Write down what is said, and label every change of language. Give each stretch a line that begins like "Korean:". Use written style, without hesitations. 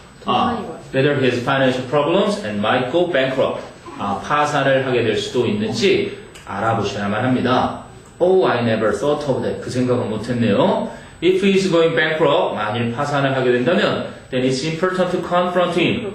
English: 아, whether his financial problems and might go bankrupt.
Korean: 아, 파산을 하게 될 수도 있는지 알아보셔야만 합니다.
English: Oh, I never thought of that.
Korean: 그 생각은 못했네요.
English: If he is going bankrupt,
Korean: 만일 파산을 하게 된다면,
English: then it's important to confront him.